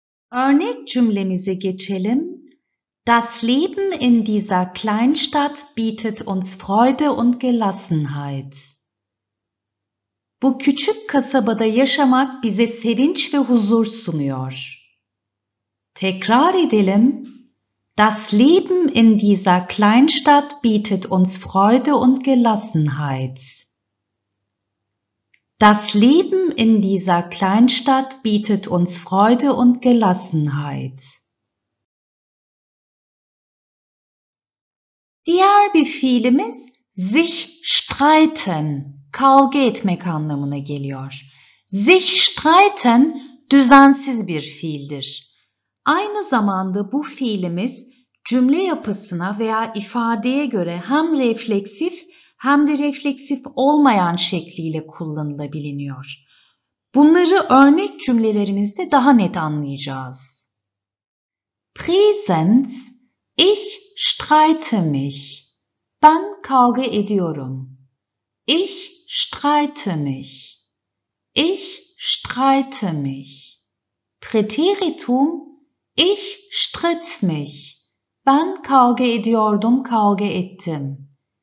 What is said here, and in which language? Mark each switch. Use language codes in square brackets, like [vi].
[tr] Örnek cümlemize geçelim. [de] Das Leben in dieser Kleinstadt bietet uns Freude und Gelassenheit. [tr] Bu küçük kasabada yaşamak bize sevinç ve huzur sunuyor. Tekrar edelim. [de] Das Leben in dieser Kleinstadt bietet uns Freude und Gelassenheit. Das Leben in dieser Kleinstadt bietet uns Freude und Gelassenheit. [tr] Diğer bir fiilimiz sich streiten, kavga etmek anlamına geliyor. Sich streiten düzensiz bir fiildir. Aynı zamanda bu fiilimiz cümle yapısına veya ifadeye göre hem refleksif hem de refleksif olmayan şekliyle kullanılabiliyor. Bunları örnek cümlelerimizde daha net anlayacağız. [de] Präsens, ich streite mich. [tr] Ben kavga ediyorum. [de] Ich streite mich. Ich streite mich. Präteritum, ich stritt mich. [tr] Ben kavga ediyordum, kavga ettim.